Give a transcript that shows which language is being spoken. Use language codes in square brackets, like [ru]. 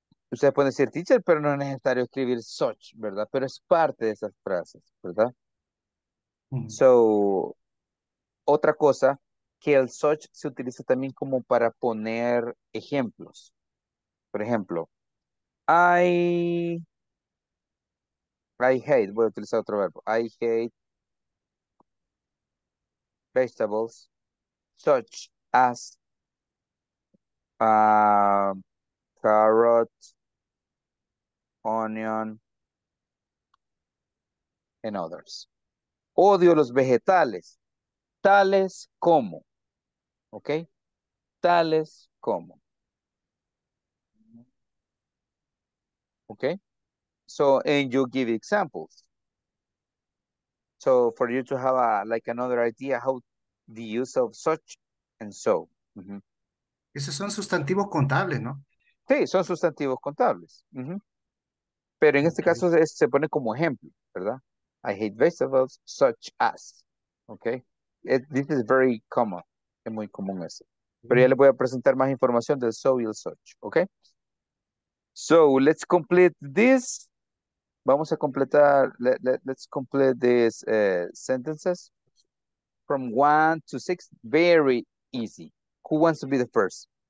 [es] Ustedes pueden decir teacher, pero no es necesario escribir such, ¿verdad? Pero es parte de esas frases, ¿verdad? Mm-hmm. So, otra cosa, que el such se utiliza también como para poner ejemplos. Por ejemplo, [en] I hate, [es] voy a utilizar otro verbo. [en] I hate vegetables such as carrot, onion, and others. [es] Odio los vegetales, tales como. ¿Ok? Tales como. [en] ¿Ok? So, and you give examples. So, for you to have a, like another idea how the use of such and so. Mm-hmm. [es] Esos son sustantivos contables, ¿no? Sí, son sustantivos contables. Mm-hmm. Pero en este caso se pone como ejemplo, ¿verdad? [en] I hate vegetables such as. ¿Ok? This is very common. [es] Es muy común eso. Pero ya le voy a presentar más información del so y el such. [en] ¿Ok? So, let's complete this. [es] Vamos a completar, [en] let's complete these sentences from 1 to 6. Very easy. Who wants to be the first?